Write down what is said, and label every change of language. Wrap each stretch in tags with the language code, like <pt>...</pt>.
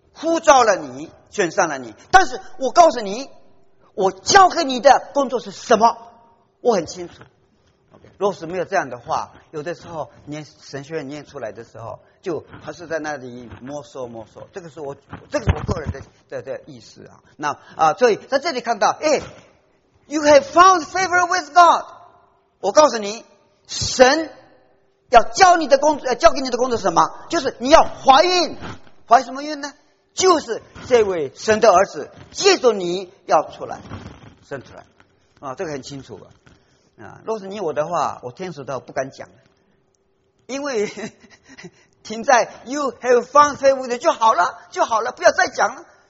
<zh>呼召了你，选上了你，但是我告诉你，我交给你的工作是什么，我很清楚。如果是没有这样的话，有的时候念神学院念出来的时候，就还是在那里摸索摸索。这个是我，这个是我个人的意思啊。那啊，所以在这里看到，哎 ，</zh> <en>You have found favor with God。</en> <zh>我告诉你，神要教你的工作，教给你的工作是什么？就是你要怀孕，怀什么孕呢？就是这位神的儿子，借着你要出来，生出来啊，这个很清楚吧。啊，若是你我的话，我天使都不敢讲，因为停在</zh> <en>you have found favor</en> <zh>就好了，就好了，不要再讲了。</zh>